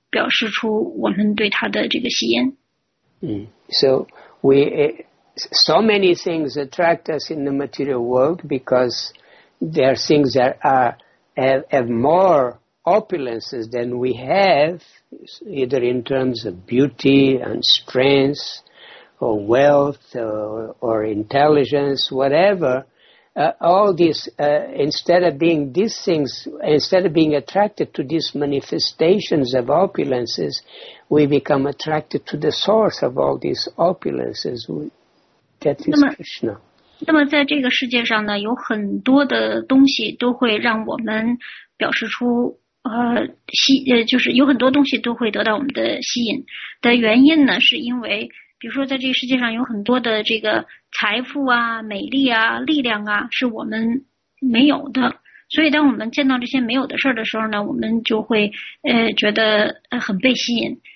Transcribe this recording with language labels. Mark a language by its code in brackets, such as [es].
[zh] 表示出我们对他的这个吸引。 [en] So many things attract us in the material world because there are things that have more opulences than we have, either in terms of beauty and strength, or wealth, or intelligence, whatever. All these, instead of being attracted to these manifestations of opulences, we become attracted to the source of all these opulences, that is Krishna. [zh] 那么在这个世界上呢，有很多的东西都会让我们表示出就是有很多东西都会得到我们的吸引的原因呢，是因为比如说在这个世界上有很多的这个财富啊、美丽啊、力量啊是我们没有的，所以当我们见到这些没有的事儿的时候呢，我们就会觉得很被吸引。